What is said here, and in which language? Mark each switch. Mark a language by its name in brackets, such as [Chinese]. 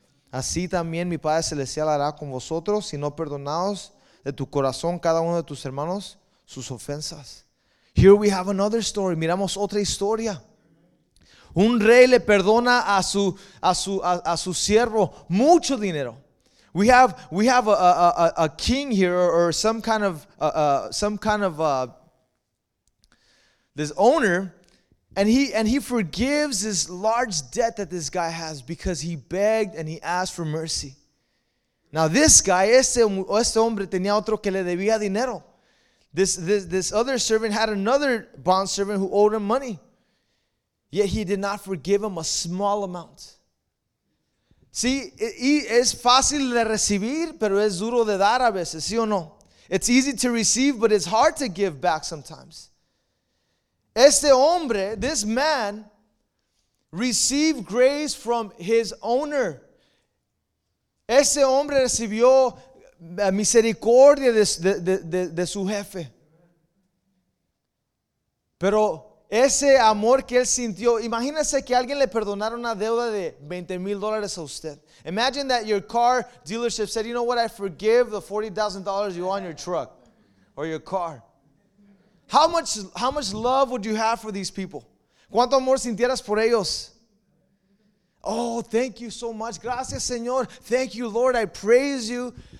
[Spanish] Así también mi Padre Celestial hará con vosotros si no perdonaos de tu corazón cada uno de tus hermanos sus ofensas. [English] Here we have another story. [Spanish] Miramos otra historia. Un rey le perdona a su siervo mucho dinero. [English] We have a king here, or this owner, and he forgives this large debt that this guy has because he begged and he asked for mercy. Now this guy, [Spanish] este hombre tenía otro que le debía dinero. [English] This other servant had another bond servant who owed him money. Yet he did not forgive him a small amount. See, [Spanish] es fácil de recibir, pero es duro de dar a veces, ¿sí o no? [English] It's easy to receive, but it's hard to give back sometimes. [Spanish] Este hombre, [English] this man, received grace from his owner. [Spanish] Este hombre recibió misericordia de su jefe. Pero ese amor que él sintió, imagínese que alguien le perdonara una deuda de $20,000 a usted. [English] Imagine that your car dealership said, you know what, I forgive the $40,000 you owe on your truck or your car. How much love would you have for these people? [Spanish] ¿Cuánto amor sintieras por ellos? [English] Oh, thank you so much. [Spanish] Gracias, Señor. [English] Thank you, Lord. I praise you.